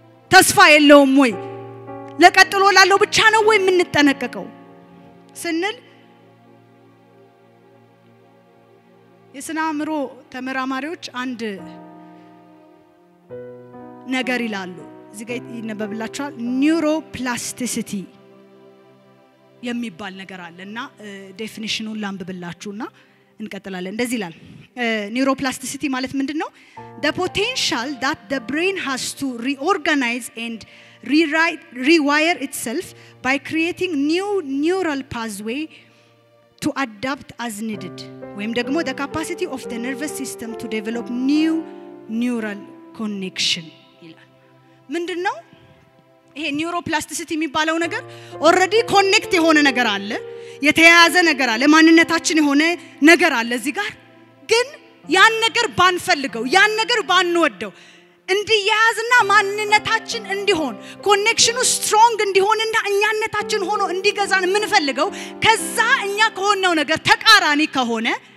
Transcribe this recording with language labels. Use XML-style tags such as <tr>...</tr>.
<am>ተስፋ የለውም ወይ ለቀጥሎ ላለው ብቻ ነው ወይ ምን ተነቀቀው ስንል የስናምሮ ተመራማሪዎች አንድ ነገር ይላሉ እዚህ ጋር ይነበብላችኋል ኒውሮፕላስቲሲቲ የሚባል ነገር አለና ዴፊኒሽኑን ላምብብላችሁና እንቀጥላለን። እንደዚህ ላል ኒውሮፕላስቲሲቲ ማለት ምንድነው?</am> <en>The potential that the brain has to reorganize and rewire itself by creating new neural pathway to adapt as needed.</en> <am>ወይም ደግሞ</am> <en>the capacity of the nervous system to develop new neural connection ይላል።</en> <am>ምንድነው ይሄ ኒውሮፕላስቲሲቲ የሚባለው ነገር? ኦሬዲ ኮኔክት የሆነ ነገር አለ, የተያያዘ ነገር አለ, ማንነታችን የሆነ ነገር አለ እዚህ ጋር, ግን ያን ነገር ባንፈልገው ያን ነገር ባንወደው እንዲያዝና ማንነታችን እንዲሆን ኮኔክሽኑ ስትሮንግ እንዲሆንና እኛነታችን ሆኖ እንዲገዛን ምንፈልገው ከዛ እኛ ከሆነው ነገር ተቃራኒ ከሆነ</am>